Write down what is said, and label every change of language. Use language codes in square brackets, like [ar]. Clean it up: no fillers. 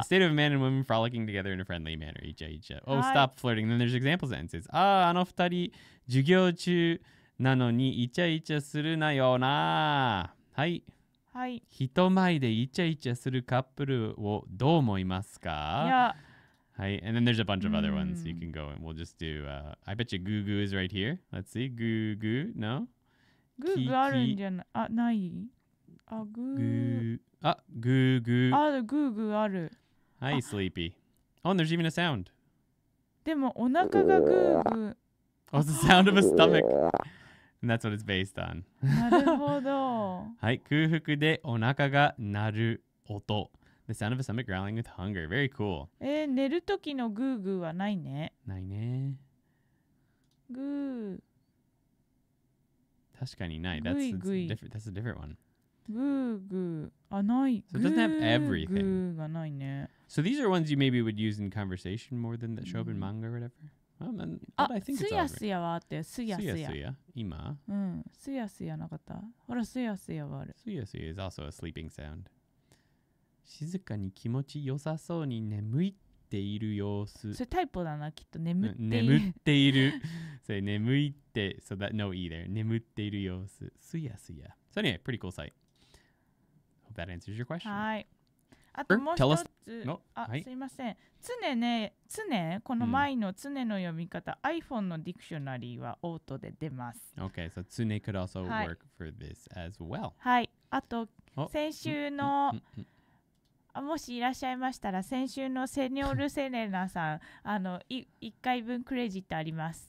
[en] The state of man and woman frolicking together in a friendly manner、 イチャイチャ、 Oh、はい、stop flirting、 Then there's example sentences、 [ja] あー、あの二人授業中なのにイチャイチャするなよな、 [en] はい、 [ja] はい、人前でイチャイチャするカップルをどう思いますか、いや、 [en] はい、and then there's a bunch of other ones you can go and we'll just do、I bet you グーグー is right here, let's see, グーグー、 no? [ja] グーグーあるんじゃない、あ、ない、あ、グー、あ、グーグー、あ、グーグーある、 [en] はい、sleepy、 oh, and there's even a sound, [ja] でもお腹がグーグー、 [en] oh, it's the sound of a stomach. And that's what it's based on. [ja] なるほど。はい、空腹でお腹が鳴る音。 [en] The sound of a stomach growling with hunger. Very cool. [ja] 寝る時のグーグーはないね。ないね。グー。 確かにない。 [en] That's a different one. [ja] グーグー。あ、ない。 [en] So it doesn't have everything. [ja] グーグーがないね。 [en] So these are ones you maybe would use in conversation more than the shōbun manga or whatever? [ja] あ、すやすやはあったよ、すやすや、今、うん、すやすやなかった、ほら、すやすやはある、すやすや [en] is also a sleeping sound、 [ja] 静かに気持ちよさそうに眠いっている様子、それタイプだな、きっと、眠っている、眠っている、それ眠いって、 [en] so that no either、 [ja] 眠っている様子、すやすや、 [en] so anyway, pretty cool sight, hope that answers your question、 [ja] はい、あともう一つ、 [en] no. [ja] あ、はい、すいません、常ね、常、この前の常の読み方、mm. iPhone のディクショナリーはオートで出ます。 [en] Okay, so 常 could also、はい、work for this as well. [ja] はい、あと、先週の、あ、もしいらっしゃいましたら、先週のセニョール・セレナさん、あの、一回分クレジットあります。